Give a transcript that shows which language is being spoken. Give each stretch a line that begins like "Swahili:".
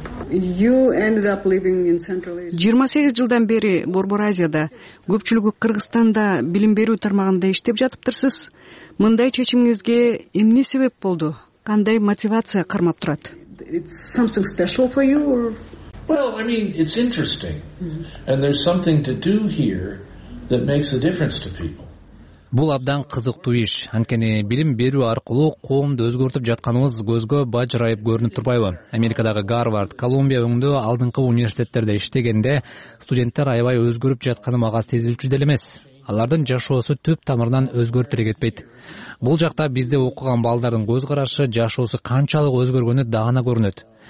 English: You ended up living in Central Asia.
Kyrgyz: 28 жылдан бери Борбор Азияда, көпчүлүгү Кыргызстанда билим берүү тармагында иштеп жатыптырсыз. Мындай чечимиңизге эмне себеп болду? Кандай мотивация кармап турат?
English: It's something special for you or? Well, I mean, it's interesting. And there's something to do here that makes a difference to people.
Kyrgyz: Бул абдан кызыктуу иш. Анткени билим берүү аркылуу коомду өзгөртүп жатканыбыз көзгө бажырайып көрүнүп турбайбы? Америкадагы Гарвард, Колумбия өңдө алдыңкы университеттерде иштегенде студенттер аябай өзгөрүп жатканы мага сезилчү деле эмес. Алардын жашоосу түп тамырынан өзгөртүлө кетпейт. Бул жакта бизде окуган балдардын көз карашы, жашоосу канчалык өзгөргөнү даана көрүнөт.